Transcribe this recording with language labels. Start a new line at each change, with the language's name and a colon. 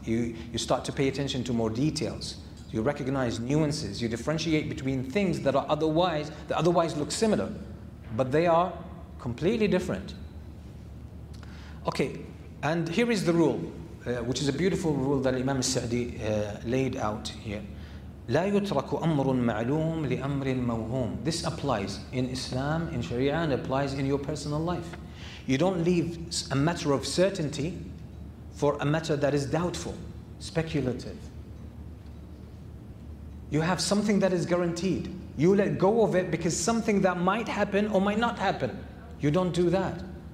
English: You start to pay attention to more details. You recognize nuances. You differentiate between things that otherwise look similar, but they are completely different. Okay, and here is the rule, which is a beautiful rule that Imam Sa'di laid out here.
Arabic: لا يترك أمر معلوم لأمر موهوم.
English: This applies in Islam, in Sharia, and applies in your personal life. You don't leave a matter of certainty for a matter that is doubtful, speculative. You have something that is guaranteed. You let go of it because something that might happen or might not happen. You don't do that.